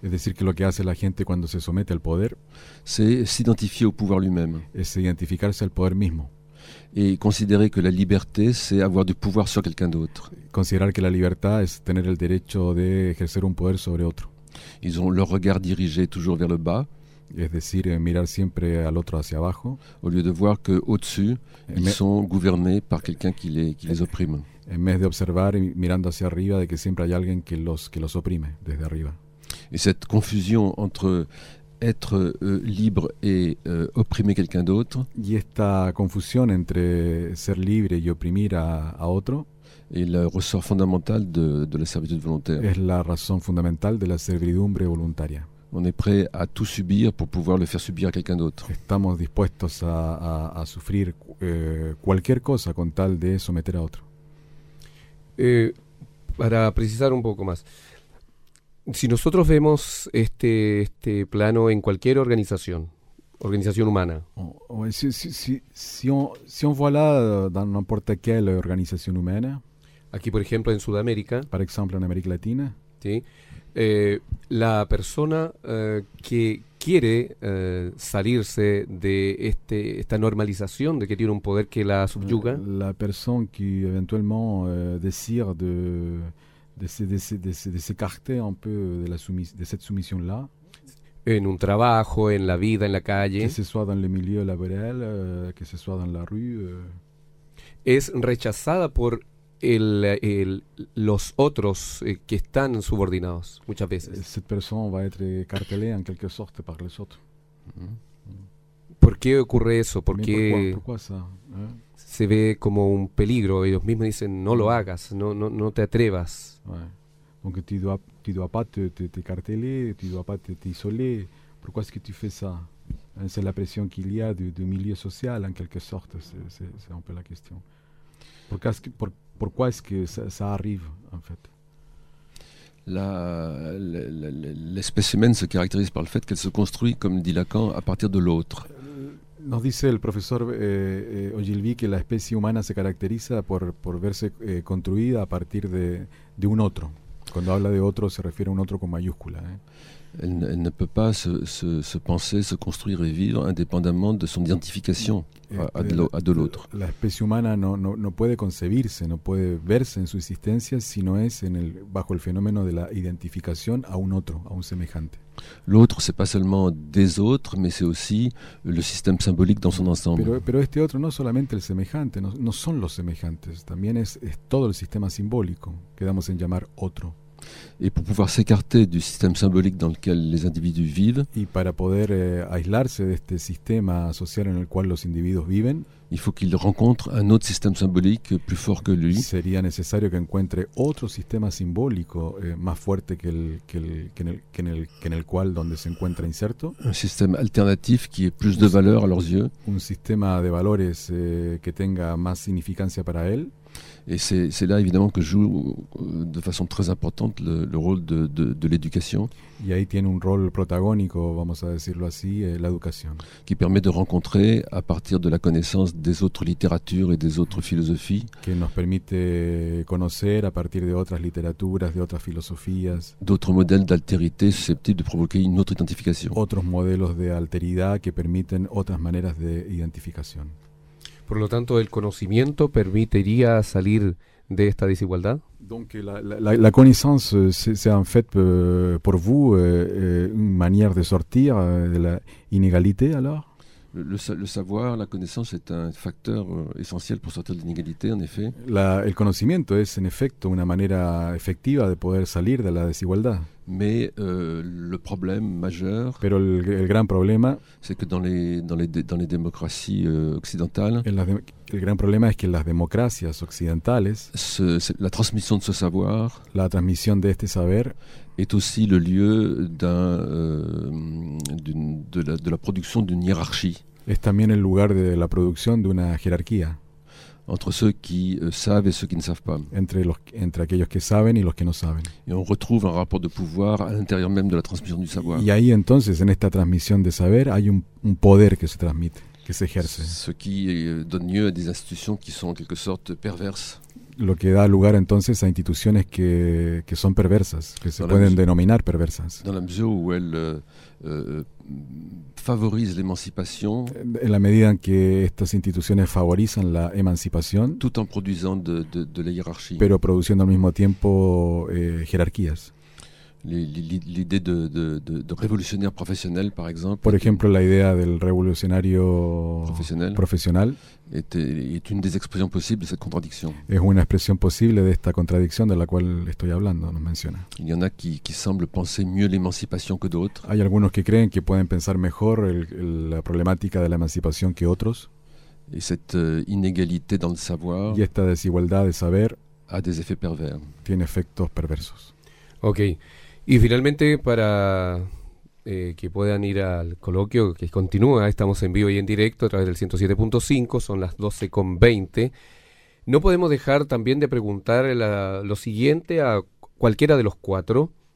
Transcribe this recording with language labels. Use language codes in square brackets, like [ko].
[es] Es decir, que lo que hace la gente cuando se somete al poder. [fr] C'est s'identifier au pouvoir lui-même. [es] Es identificarse al poder mismo. [fr] Et considérer que la liberté, c'est avoir du pouvoir sur quelqu'un d'autre. [es] Considerar que la libertad es tener el derecho de ejercer un poder sobre otro. [fr] Ils ont leur regard dirigé toujours vers le bas. [es] Es decir, mirar siempre al otro hacia abajo. [fr] Au lieu de voir que au-dessus, ils sont gouvernés par quelqu'un qui les opprime. [es] En vez de observar mirando hacia arriba de que siempre hay alguien que los oprime desde arriba. [fr] Y cette confusion entre être libre et opprimer quelqu'un d'autre. [es] Y esta confusión entre ser libre y oprimir a otro. [fr] Est le ressort fondamental de la servitude volontaire. [es] Es la razón fundamental de la servidumbre voluntaria. [fr] On est prêt à tout subir pour pouvoir le faire subir à quelqu'un d'autre. [es] Estamos dispuestos a sufrir cualquier cosa con tal de someter a otro. Para precisar un poco más, Si nosotros vemos este plano en cualquier organización humana. [fr] Si on voit là dans n'importe quelle organisation humaine. [es] Aquí, por ejemplo, en Sudamérica. [fr] Par exemple, en América Latina. [es] Sí. La persona que quiere salirse de esta normalización de que tiene un poder que la subyuga. La persona que eventualmente decide [fr] de s'écarter un peu de cette soumission là. [es] En un trabajo, en la vida, en la calle. [fr] Que ce soit dans le milieu laboral, que ce soit dans la rue. [es] Es rechazada por los otros que están subordinados muchas veces. [fr] Cette personne va être cartelée en quelque sorte par les autres. [es] ¿Por qué ocurre eso? Porque ¿Por qué se ve como un peligro. Ellos mismos dicen no lo hagas, no te atrevas. [fr] Ouais. Donc tu dois pas te carteler, tu dois pas te isoler. Pourquoi est-ce que tu fais ça? C'est la pression qu'il y a du milieu social en quelque sorte. C'est un peu la question. Pourquoi est-ce que ça arrive, en fait? L'espécimen se caractérise par le fait qu'elle se construit, comme dit Lacan, à partir de l'autre. [es] Nos dice el profesor Ogilvy que la especie humana se caracteriza por verse construida a partir de un otro. Cuando habla de otro, se refiere a un otro con mayúscula. [fr] Elle ne peut pas se penser, se construire et vivre indépendamment de son identification de l'autre. [es] La especie humana no puede concebirse, no puede verse en su existencia si no es bajo el fenómeno de la identificación a un otro, a un semejante. [fr] L'autre, c'est pas seulement des autres, mais c'est aussi le système symbolique dans son ensemble. [es] Pero este otro no solamente el semejante, no son los semejantes, también es todo el sistema simbólico que damos en llamar otro. [fr] Et pour pouvoir s'écarter du système symbolique dans lequel les individus vivent, [es] y para poder aislarse de este sistema social en el cual los individuos viven, [fr] il faut qu'il rencontre un autre système symbolique plus fort que lui. [es] Sería necesario que encuentre otro sistema simbólico más fuerte que en el cual donde se encuentra inserto. [fr] Un système alternatif qui ait plus de valeur à leurs yeux. [es] Un sistema de valores que tenga más significancia para él. [fr] Et c'est là évidemment que joue de façon très importante le rôle de l'éducation. [es] Y ahí tiene un rol protagónico, vamos a decirlo así, la educación. [fr] Qui permet de rencontrer à partir de la connaissance des autres littératures et des autres philosophies. [es] Que nos permite conocer a partir de otras literaturas, de otras filosofías. [fr] D'autres modèles d'altérité susceptibles de provoquer une autre identification. [es] Otros modelos de alteridad que permiten otras maneras de identificación. Por lo tanto, el conocimiento permitiría salir de esta desigualdad. [fr] Donc la connaissance c'est en fait pour vous une manière de sortir de la inégalité alors? Le savoir, la connaissance est un facteur essentiel pour sortir de l'inégalité en effet. [es] El conocimiento es en efecto una manera efectiva de poder salir de la desigualdad. [fr] Mais le problème majeur. [es] Pero el gran problema. [fr] C'est que dans les démocraties occidentales. [es] El gran problema es que en las democracias occidentales. [fr] La transmission de ce savoir. [es] La transmisión de este saber. [fr] Est aussi le lieu de la production d'une hiérarchie. [es] Es también el lugar de la producción de una jerarquía. [fr] Entre ceux qui savent et ceux qui ne savent pas. [es] Entre aquellos que saben y los que no saben. [fr] Et on retrouve un rapport de pouvoir à l'intérieur même de la transmission du savoir. [es] Y ahí entonces en esta transmisión de saber hay un poder que se transmite, que se ejerce. [fr] Ce qui donne lieu à des institutions qui sont en quelque sorte perverses. [es] Lo que da lugar entonces a instituciones que son perversas, que se pueden denominar perversas. [fr] Dans la mesure où elle favorise l'émancipation. [es] En la medida en que estas instituciones favorizan la emancipación. [fr] Tout en produisant de la hiérarchie. [es] Pero produciendo al mismo tiempo jerarquías. [fr] L'idée de révolutionnaire professionnel, par exemple. [es] Por ejemplo, la idea del revolucionario profesional. [fr] Est une des expressions possibles de cette contradiction. [es] Es una expresión posible de esta contradicción de la cual estoy hablando, nos menciona. [fr] Il y en a qui semblent penser mieux l'émancipation que d'autres. [es] Hay algunos que creen que pueden pensar mejor la problemática de la emancipación que otros. [fr] Et cette inégalité dans le savoir. [es] Y esta desigualdad de saber. [fr] A des effets pervers. [es] Tiene efectos perversos. Ok. Y finalmente, para que puedan ir al coloquio, que continúa, estamos en vivo y en directo a través del 107.5, son las 12:20. No podemos dejar también de preguntar lo siguiente a cualquiera de los cuatro,